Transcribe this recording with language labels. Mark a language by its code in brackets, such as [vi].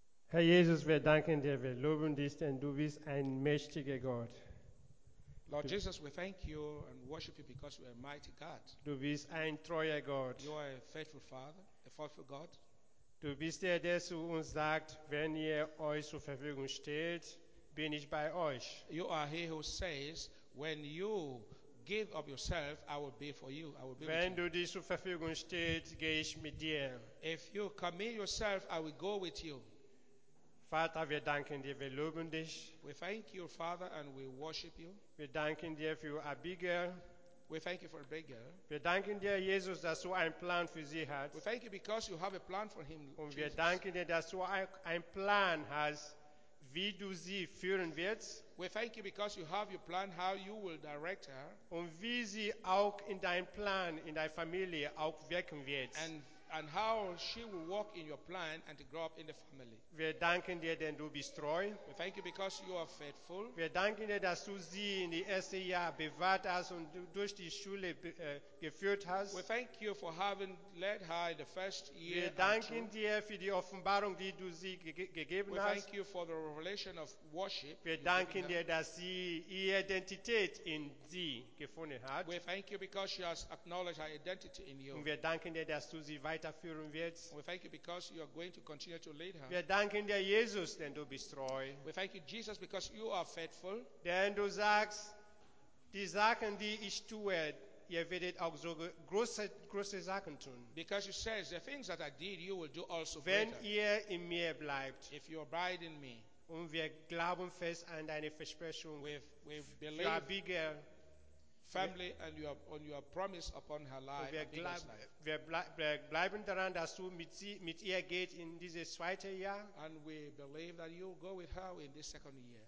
[de] Herr Jesus, wir danken dir, wir loben dich, denn du bist ein mächtiger Gott. [en] Lord Jesus, we thank you and worship you because you are a mighty God. [de] Du bist ein treuer Gott. [en] You are a faithful Father, a faithful God. [de] Du bist der zu uns sagt, wenn ihr euch zur Verfügung steht, bin ich bei euch. [en] You are he who says, when you give of yourself, I will be for you. I will be [de] wenn [en] with you. [de] Du dich zur Verfügung steht, gehe ich mit dir. [en] If you commit yourself, I will go with you. [de] Vater, wir danken dir, wir loben dich. [en] We thank you, Father, and we worship you. [de] Wir danken dir für Abigail. [en] We thank you for Abigail. [de] Wir danken dir, Jesus, dass du einen Plan für sie hast. [en] We thank you because you have a plan for him. [de] Und wir danken dir, dass du einen Plan hast, wie du sie führen wirst. [en] We thank you because you have your plan how you will direct her. [de] Und wie sie auch in deinem Plan in deiner Familie auch wirken wird. [en] And how she will walk in your plan and to grow up in the family. [de] Wir danken dir, denn du bist treu. [en] We thank you because you are faithful. [de] Wir danken dir, dass du sie in die erste Jahr bewahrt hast und durch die Schule geführt hast. [en] We thank you for having led her the first year. [de] Wir danken dir für die Offenbarung, die du sie gegeben hast. [en] We thank you for the revelation of worship. [de] Wir danken dir, dass sie ihre Identität in sie gefunden hat. [en] We thank you because she has acknowledged her identity in you. [de] Und wir danken dir, dass du sie weiterführen wirst. [en] We thank you because you are going to continue to lead her. [de] Wir danken dir, Jesus, denn du bist treu. [en] We thank you, Jesus, because you are faithful. [de] Denn du sagst, die Sachen, die ich tue, ihr werdet auch so große Sachen tun. [en] Because you say, the things that I did, you will do also [de] wenn [en] greater. [de] Wenn ihr in mir bleibt, [en] if you abide in me, [de] und wir glauben fest an deine Versprechung, [en] we believe [de] für Abigail, [en] family and your promise upon her life. [de] Wir bleiben daran, dass du mit ihr geht in dieses zweite Jahr. [en] And we believe that you go with her in this second year.